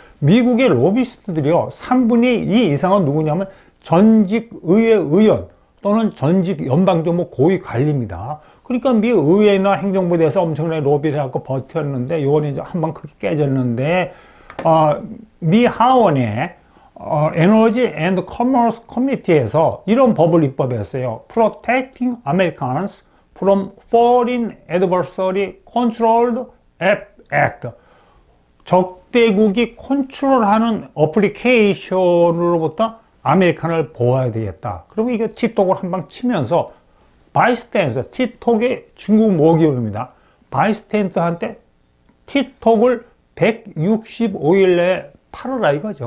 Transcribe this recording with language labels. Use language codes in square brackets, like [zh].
[ko] 미국의 로비스트들이요. 3분의 2 이상은 누구냐면 전직 의회 의원 또는 전직 연방정부 고위 관리입니다. 그러니까 미 의회나 행정부에 대해서 엄청나게 로비를 해갖고 버텼는데 요번에 이제 한번 크게 깨졌는데 미 하원의 에너지 앤드 커머스 커미티에서 이런 법을 입법했어요. [en] Protecting Americans from Foreign Adversary Controlled App Act. [ko] 적대국이 컨트롤하는 어플리케이션으로부터 아메리칸을 보호해야 되겠다. 그리고 이게 틱톡을 한방 치면서 바이스탠스, 틱톡의 중국 모기업입니다. 바이스탠스한테 틱톡을 165일 내에 팔으라 이거죠.